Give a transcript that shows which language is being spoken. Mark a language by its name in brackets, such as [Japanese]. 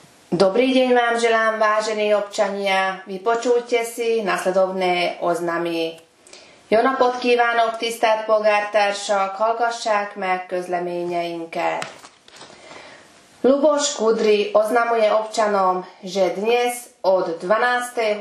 [Slovak] Dobrý deň vám želám, vážení občania. Vypočujte si nasledovné oznamy. [Hungarian] Jónapot kívánok, tisztelt polgártársak, hallgassák meg közleményeinket. [Slovak] Lubos Kudri oznamuje občanom, že dnes od 12.